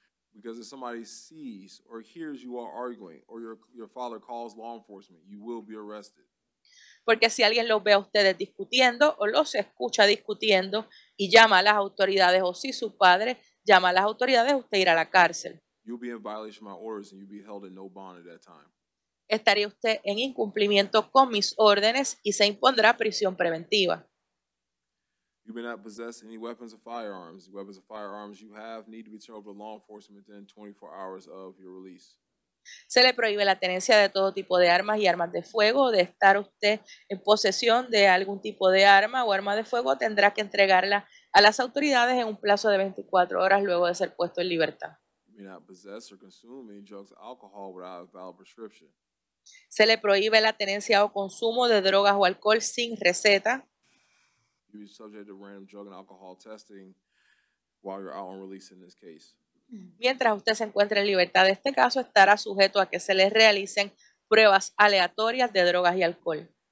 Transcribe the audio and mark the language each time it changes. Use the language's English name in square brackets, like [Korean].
[English] Because if somebody sees or hears you are arguing or your father calls law enforcement, you will be arrested. [Spanish] Porque si alguien los ve a ustedes discutiendo o los escucha discutiendo y llama a las autoridades o si su padre llama a las autoridades, usted irá a la cárcel. [English] You'll be in violation of my orders and you'll be held in no bond at that time. [Spanish] Estaría usted en incumplimiento con mis órdenes y se impondrá prisión preventiva. [English] You may not possess any weapons or firearms. The weapons or firearms you have need to be turned over to law enforcement within 24 hours of your release. [Spanish] Se le prohíbe la tenencia de todo tipo de armas y armas de fuego. De estar usted en posesión de algún tipo de arma o arma de fuego, tendrá que entregarla a las autoridades en un plazo de 24 horas luego de ser puesto en libertad. [English] You may not possess or consume any drugs or alcohol without a valid prescription. [Spanish] Se le prohíbe la tenencia o consumo de drogas o alcohol sin receta. [English] You may be subject to random drug and alcohol testing while you're out on release in this case. [Spanish] Mientras usted se encuentre en libertad de este caso, estará sujeto a que se le realicen pruebas aleatorias de drogas y alcohol.